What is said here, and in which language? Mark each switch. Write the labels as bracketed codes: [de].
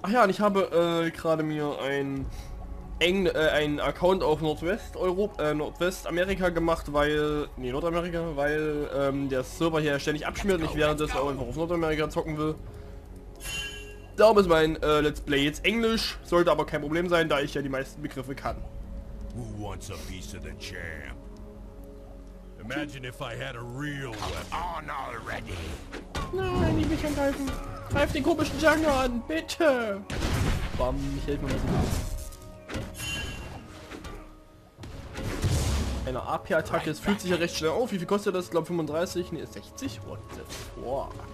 [de] Ach ja, und ich habe gerade mir einen Account auf Nordwestamerika gemacht, weil Nordamerika, weil der Server hier ständig abschmiert. Ich werde das auch einfach auf Nordamerika zocken will. Darum ist mein Let's Play jetzt Englisch, sollte aber kein Problem sein, da ich ja die meisten Begriffe kann. [en] Who wants a piece of the champ? Imagine if I had a real weapon. [de] Nein, nicht mich angreifen. Greif den komischen Jungle an, bitte. Bam, ich helfe mir mal so. Eine AP-Attacke, es fühlt sich ja recht schnell auf. Wie viel kostet das? Ich glaube 35, nee, 60. [en] What the fuck?